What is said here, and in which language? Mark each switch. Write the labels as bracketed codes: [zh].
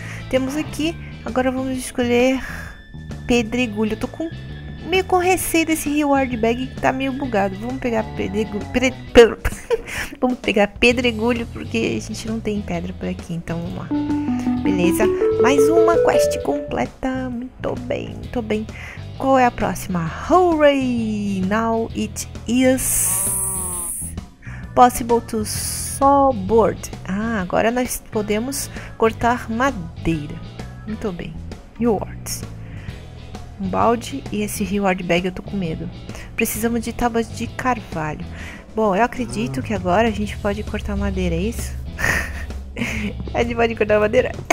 [pt] Temos aqui. Agora vamos escolher pedregulho. Eu tô com meio com receio desse reward bag que tá meio bugado. Vamos pegar pedregulho. Vamos pegar pedregulho porque a gente não tem pedra por aqui. Então vamos lá. Beleza. Mais uma quest completa. Muito bem, muito bem. Qual é a próxima? Hooray! [en] Now it is possible to saw board. [pt] Ah, agora nós podemos cortar madeira. Muito bem. Rewards. Um balde e esse reward bag, eu tô com medo. Precisamos de tábuas de carvalho. Bom, eu acredito que agora a gente pode cortar madeira, é isso? A gente pode cortar madeira?